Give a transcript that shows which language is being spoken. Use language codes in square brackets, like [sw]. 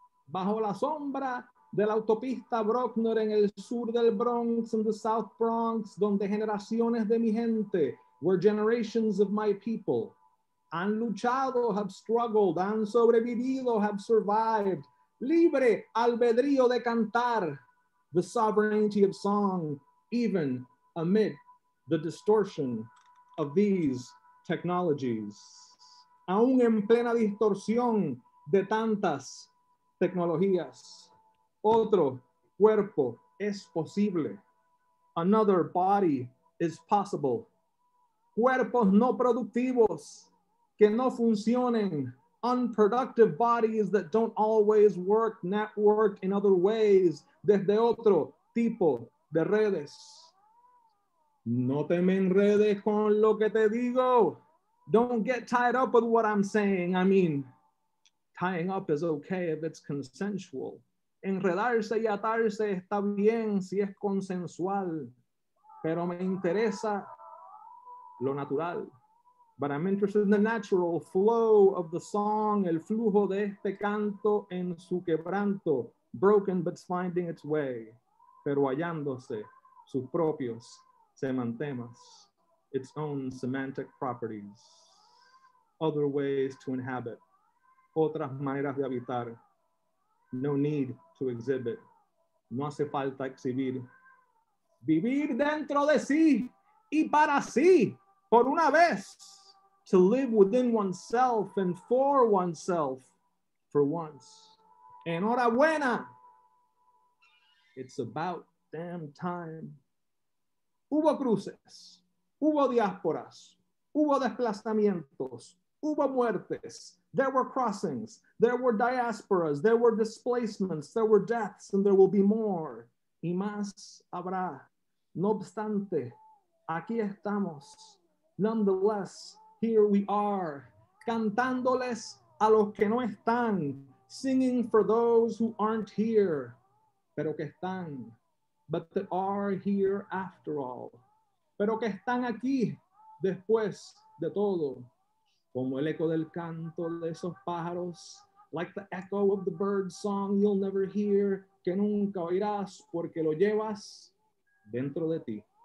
[es] Bajo la sombra de la autopista Bruckner en el sur del Bronx [en] and the South Bronx, [es] donde generaciones de mi gente, [en] where generations of my people [es] han luchado, [en] have struggled, [es] han sobrevivido, [en] have survived. [es] Libre albedrío de cantar, [en] the sovereignty of song, even amid the distortion of these technologies. [es] Aún en plena distorsión de tantas tecnologías, otro cuerpo es posible. [en] Another body is possible. [es] Cuerpos no productivos que no funcionen. [en] Unproductive bodies that don't always work, network in other ways, [es] desde otro tipo de redes. No te me enredes con lo que te digo. [en] Don't get tied up with what I'm saying. I mean, tying up is okay if it's consensual. [es] Enredarse y atarse está bien si es consensual. Pero me interesa lo natural. [en] But I'm interested in the natural flow of the song, [es] el flujo de este canto en su quebranto, [en] broken but finding its way, [es] pero hallándose sus propios semantemas, [en] its own semantic properties, other ways to inhabit, [es] otras maneras de habitar, [en] no need to exhibit, [es] no hace falta exhibir, vivir dentro de sí y para sí, por una vez. [en] To live within oneself and for oneself for once. [es] Enhorabuena! [en] It's about damn time. [es] Hubo cruces, hubo diásporas, hubo desplazamientos, hubo muertes. [en] There were crossings, there were diasporas, there were displacements, there were deaths, and there will be more. [es] Y más habrá. No obstante, aquí estamos. [en] Nonetheless, here we are, [es] cantándoles a los que no están, [en] singing for those who aren't here, [es] pero que están, [en] but that are here after all, [es] pero que están aquí después de todo, como el eco del canto de esos pájaros, [en] like the echo of the bird song you'll never hear, [es] que nunca oirás porque lo llevas dentro de ti,